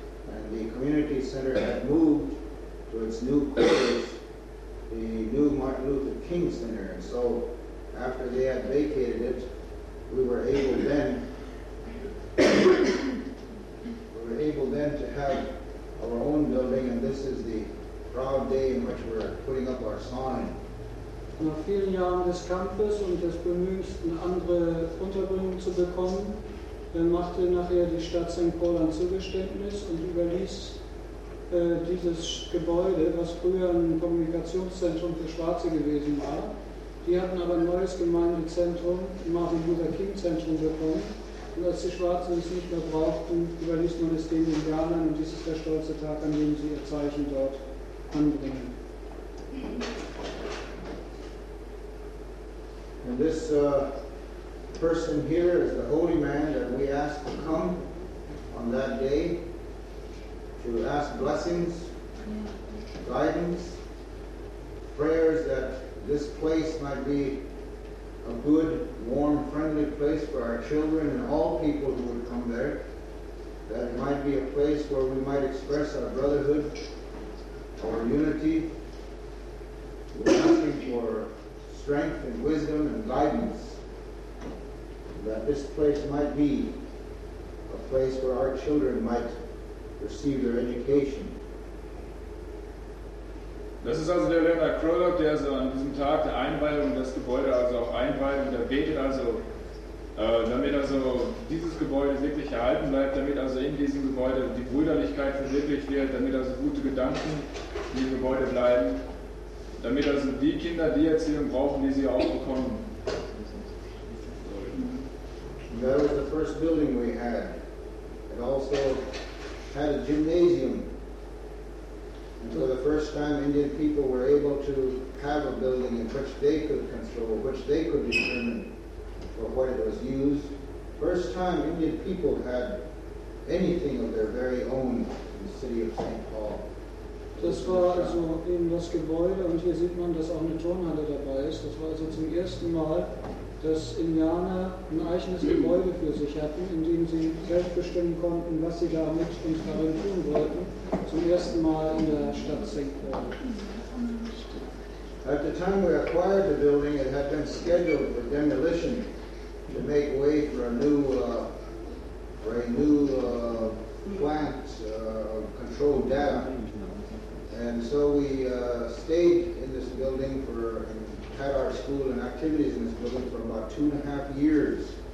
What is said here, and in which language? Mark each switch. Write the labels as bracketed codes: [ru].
[en] And the community center had moved to its new quarters, the new Martin Luther King Center. And so after they had vacated it, We were able then to have our own building, and this is the proud day in which we're putting up our sign. [de] Nach vielen Jahren des Kampfes und des Bemühens, eine andere Unterbringung zu bekommen, machte nachher die Stadt St. Paul ein Zugeständnis und überließ dieses Gebäude, was früher ein Kommunikationszentrum für Schwarze gewesen war. Die hatten aber ein neues Gemeindezentrum, Martin Luther King Zentrum bekommen. Und als die Schwarzen es nicht mehr brauchten, überließ man es den Indianern. Und dies ist der stolze Tag, an dem sie ihr Zeichen dort anbringen. [en] And this person here is the holy man that we asked to come on that day to ask blessings, guidance, prayers that this place might be a good, warm, friendly place for our children and all people who would come there. That it might be a place where we might express our brotherhood, our unity. We're asking for strength and wisdom and guidance. That this place might be a place where our children might receive their education. [de] Das ist also der Reverend Crowlock, der also an diesem Tag der Einweihung das Gebäude also auch einweiht und er betet also, damit also dieses Gebäude wirklich erhalten bleibt, damit also in diesem Gebäude die Brüderlichkeit verwirklicht wird, damit also gute Gedanken in dem Gebäude bleiben, damit also die Kinder die Erziehung brauchen, die sie auch bekommen. [en] That was the first building we had. It also had a gymnasium. And for the first time, Indian people were able to have a building in which they could control, which they could determine for what it was used. First time Indian people had anything of their very own in the city of St. Paul. [de] Das war also eben das Gebäude, und hier sieht man, dass auch eine Turnhalle dabei ist. Das war also zum ersten Mal, dass Indianer ein eigenes Gebäude für sich hatten, in dem sie selbst bestimmen konnten, was sie damit und darin tun wollten, zum ersten Mal in der Stadt St. Paul. [en] At the time we acquired the building, it had been scheduled for demolition to make way for a new plant, controlled data. And so we stayed in this building had our school and activities in this building for about 2.5 years.